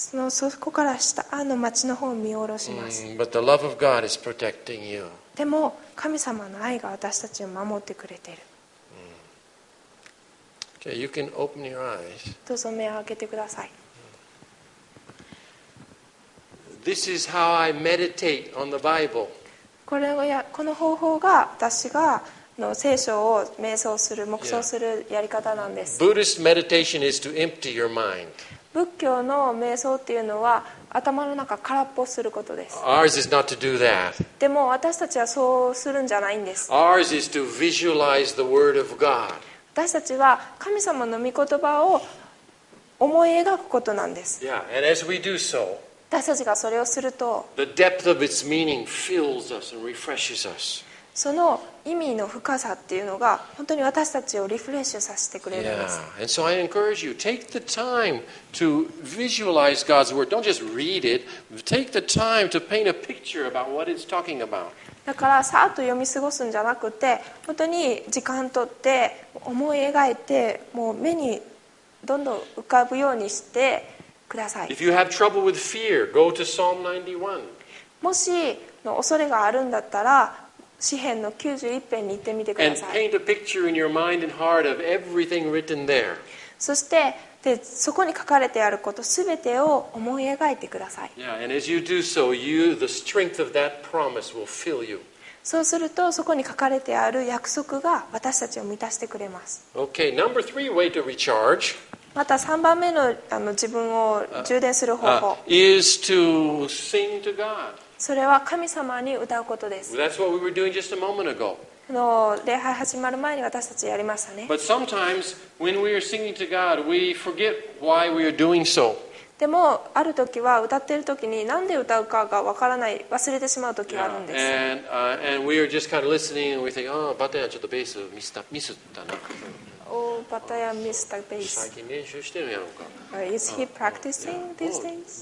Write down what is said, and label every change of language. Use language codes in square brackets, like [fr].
[ja] そこから下の町の方を見下ろします。 [en] But the love of God is protecting you. [ja] でも神様の愛が私たちを守ってくれている。 [en] Okay, you can open your eyes. [ja] どうぞ目を開けてください。 [en] This is how I meditate on the Bible. [ja] この方法が私がの聖書を瞑想する黙想するやり方なんです。 [en] Yeah. Buddhist meditation is to empty your mind. [ja] 仏教の瞑想っていうのは頭の中空っぽすることです。 [en] Ours is not to do that. [ja] でも私たちはそうするんじゃないんです。 [en] Ours is to visualize the word of God. [ja] 私たちは神様の御言葉を思い描くことなんです。 [en] Yeah, and as we do so, [ja] 私たちがそれをすると、 [en] the depth of its meaning fills us and refreshes us. [ja] その意味の深さっていうのが本当に私たちをリフレッシュさせてくれるんです。 [en] Yeah. And so I encourage you, take the time to visualize God's word. Don't just read it. Take the time to paint a picture about what it's talking about. [ja] だからさっと読み過ごすんじゃなくて本当に時間とって思い描いてもう目にどんどん浮かぶようにしてください。 [en] If you have trouble with fear, go to Psalm 91. [ja] もしの恐れがあるんだったら詩編の91編に行ってみてください。 [en] And paint a picture in your mind and heart of everything written there. [ja] そしてでそこに書かれてあることすべてを思い描いてください。 [en] Yeah, and as you do so, you, the strength of that promise will fill you. [ja] そうするとそこに書かれてある約束が私たちを満たしてくれます。 [en] Okay, number three way to recharge. [ja] また3番目 の, 自分を充電する方法。 [en] Is to sing to God. [ja] それは神様に歌うことです。 [en] Well, that's what we were doing just a moment ago. [ja] 礼拝始まる前に私たちやりましたね。 [en] But sometimes when we are singing to God, we forget why we are doing so. [ja] でもある時は歌っている時に何で歌うかがわからない、忘れてしまう時があるんです。 [en] And we are just kind of listening and we think, oh, [ja] バタヤちょっとベースミスったな。 Oh, バタヤミスったベース。最近練習してるやろうか。 [en] Is he practicing these things?